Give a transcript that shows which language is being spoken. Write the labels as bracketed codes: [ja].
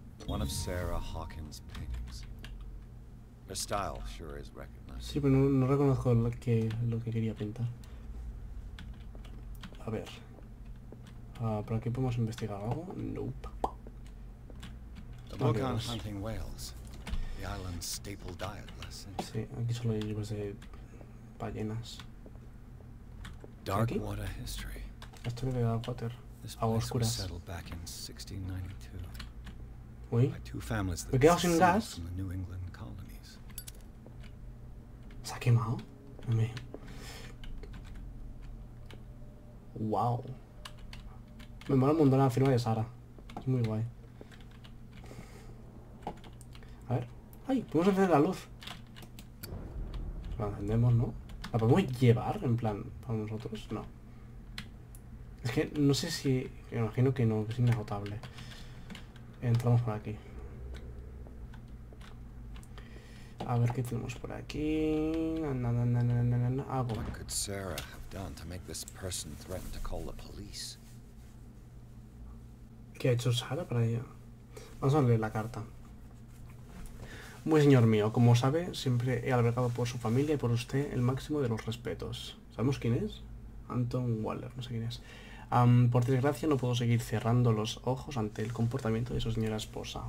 [en] One of Sarah Hawkins' paintings. Her style sure is recognized. [es] Sí, pero no reconozco lo que quería pintar. A ver. ¿Por aquí podemos investigar algo? [en] Nope. The book on hunting whales. The island's staple diet last century. [es] Sí, aquí solo hay libros de ballenas. [en] Dark water history. [es] Esto de Dark Water. Agua oscura. [en] Settled back in [es] 1692. Uy. Me quedo sin gas. [en] From the New England colonies. [es] ¿Se ha quemado? Hombre. Wow. Me mola un montón la firma de Sara. Es muy guay. A ver. ¡Ay! ¿Podemos encender la luz? La encendemos, ¿no? ¿La podemos llevar, en plan, para nosotros? No. Es que no sé si... Me imagino que no, que es inagotable. Entramos por aquí. A ver qué tenemos por aquí. Algo. [en] What could Sarah have done to make this person threaten to call the police? [es] ¿Qué ha hecho Sara para ello? Vamos a leer la carta. Muy señor mío, como sabe, siempre he albergado por su familia y por usted el máximo de los respetos. ¿Sabemos quién es? Anton Waller, no sé quién es. Por desgracia, no puedo seguir cerrando los ojos ante el comportamiento de su señora esposa.